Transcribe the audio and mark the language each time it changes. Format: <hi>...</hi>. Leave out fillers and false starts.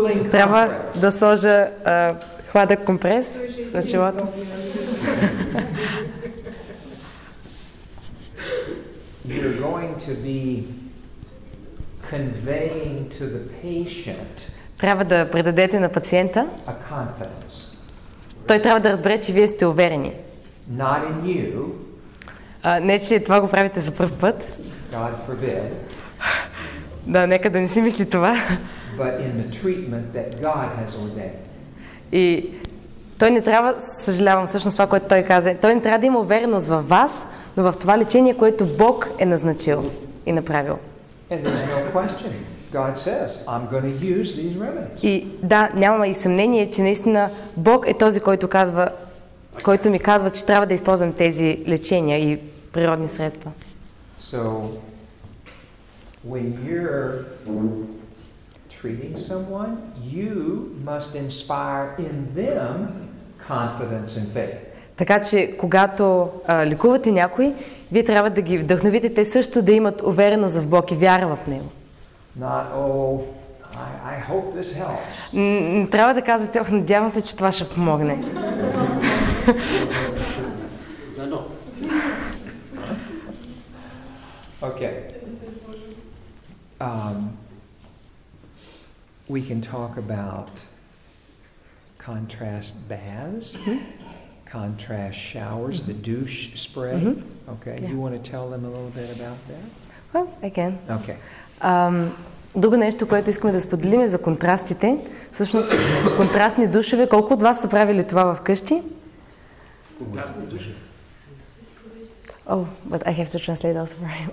<bg>Трябва да сложа хладък компрес на челото.</bg> <en>You're going to be conveying to the patient.</en> <bg>Трябва да предадете на пациента.</bg> <en>A confidence.</en> <bg>Той трябва да разбере, че вие сте уверени.</bg> <en>Not in you.</en> <bg>Не че това го правите за пръв път.</bg> <en>God forbid.</en> <bg>Да, нека да не си мисли това.</bg> <en>But in the treatment that God has ordained.</en> <bg>И той не трябва, съжалявам всъщност това, което той каза, той не трябва да има увереност във вас, но в това лечение, което Бог е назначил и направил.</bg> <en>And there's no question. God says, I'm going to use these remedies.</en> <bg>И да, няма и съмнение, че наистина Бог е този, който казва, който ми казва, че трябва да използвам тези лечения и природни средства.</bg> <en>So, when you're treating someone, you must inspire in them confidence and faith.</en> <bg>Така че когато лекувате някой, вие трябва да ги вдъхновите те също да имат увереност в Бог и вяра в него.</bg> <en>Not, oh, I hope this helps.</en> <bg>Не трябва да казвате, надявам се, че това ще помогне.</bg> <en>No. Okay. We can talk about contrast baths, mm-hmm. contrast showers, mm-hmm. the douche spray. Mm-hmm. Okay, yeah. You want to tell them a little bit about that? Well, I can. Okay.</en> <bg>Друго нещо, което искаме да споделим е за контрастите. Всъщност, контрастни душеве, колко от вас са правили това вкъщи? Контрастни душеве.</bg> <en>Oh, but I have to translate also for him.</en>